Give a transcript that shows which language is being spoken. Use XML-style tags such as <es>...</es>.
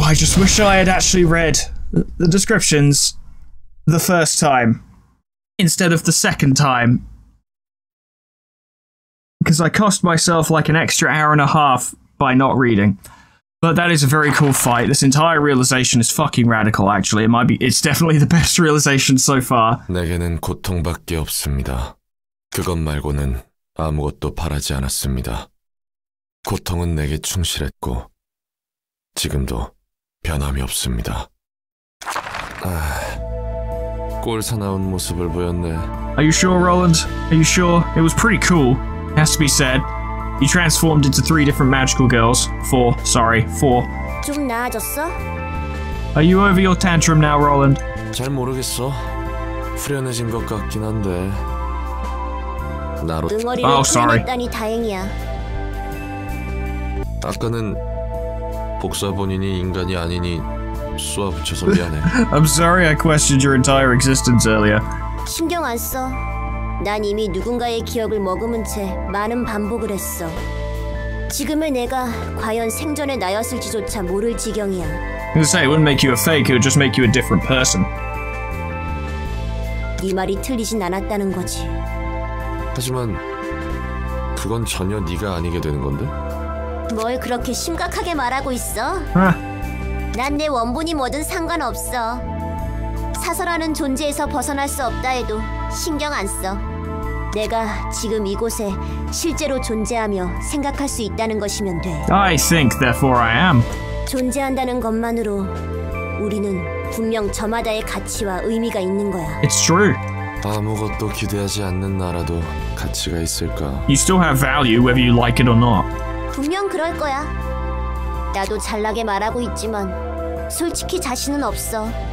<en>I just wish I had actually read the descriptions the first time instead of the second time. Because I cost myself like an extra hour and a half by not reading. But that is a very cool fight. This entire realization is fucking radical, actually. It might be, it's definitely the best realization so far.</en> <ko>내게는 고통밖에 없습니다. 그것 말고는 아무것도 바라지 않았습니다. 고통은 내게 충실했고, 지금도 변함이 없습니다. 아, 꼴 사나운 모습을 보였네.</ko> <en>Are you sure, Roland? Are you sure? It was pretty cool, has to be said. You transformed into three different magical girls. Four.</en> <ko>좀 나아졌어?</ko> <en>Are you over your tantrum now, Roland?</en> <ko>잘 모르겠어. 후련해진 것 같긴 한데. 나로...</ko> <en>Oh, sorry.</en> <ko>다행이야. 아까는 복사 본인이 인간이 아니니 쏘아 붙여서 미안해.</ko> <en>I'm sorry I questioned your entire existence earlier.</en> <ko>신경 안 써. 난 이미 누군가의 기억을 머금은 채 많은 반복을 했어. 지금의 내가 과연 생전의 나였을지조차 모를 지경이야.</ko> <en>I say, it wouldn't make you a fake, it would just make you a different person.</en> <ko>네 말이 틀리진 않았다는 거지. 하지만 그건 전혀 네가 아니게 되는 건데? 뭘 그렇게 심각하게 말하고 있어? 아. 난 내 원본이 뭐든 상관없어. 사설하는 존재에서 벗어날 수 없다 해도 신경 안 써. 내가 지금 이곳에 실제로 존재하며 생각할 수 있다는 것이면 돼.</ko> <en>I think, therefore I am.</en> <ko>존재한다는 것만으로 우리는 분명 저마다의 가치와 의미가 있는 거야.</ko> <en>It's true.</en> <ko>아무것도 기대하지 않는 나라도 가치가 있을까?</ko> <en>You still have value whether you like it or not.</en> <ko>분명 그럴 거야. 나도 잘나게 말하고 있지만 솔직히 자신은 없어.</ko>